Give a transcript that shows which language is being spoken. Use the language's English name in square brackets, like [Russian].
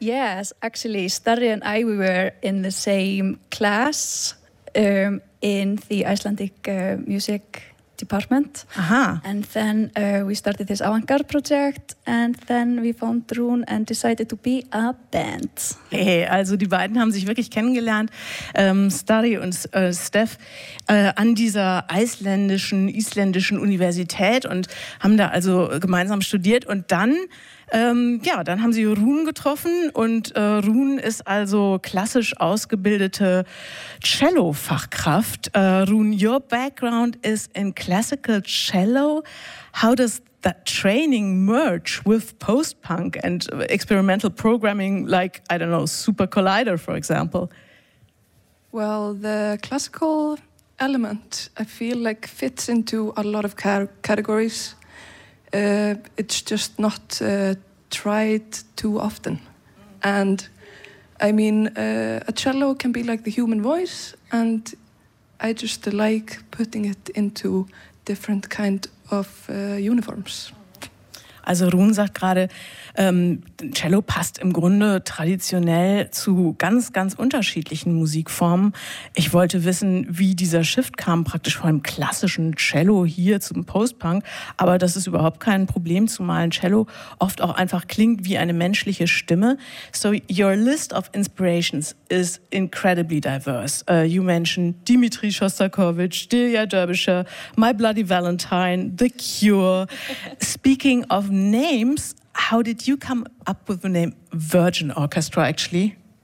[English] Yes, actually, Stari and I, we were in the same class in the Icelandic music department. Uh-huh. And then we started this avant-garde project, and then we found Rune and decided to be a band. [German] Hey, also die beiden haben sich wirklich kennengelernt, Stari und Steph, an dieser isländischen Universität, und haben da also gemeinsam studiert, und dann haben sie Rune getroffen, und Rune ist also klassisch ausgebildete Cello-Fachkraft. [English] Rune, your background is in classical cello. How does that training merge with post-punk and experimental programming, like, I don't know, Super Collider, for example? Well, the classical element, I feel like, fits into a lot of categories. It's just not tried too often. And I mean, a cello can be like the human voice, and I just like putting it into different kind of uniforms. [German] Also Rune sagt gerade, Cello passt im Grunde traditionell zu ganz, ganz unterschiedlichen Musikformen. Ich wollte wissen, wie dieser Shift kam, praktisch von einem klassischen Cello hier zum Postpunk. Aber das ist überhaupt kein Problem, zumal ein Cello oft auch einfach klingt wie eine menschliche Stimme. [English] So your list of inspirations is incredibly diverse. You mentioned Dmitri Shostakovich, Delia Derbyshire, My Bloody Valentine, The Cure. Speaking of names, how did you come up with the name Virgin Orchestra, actually?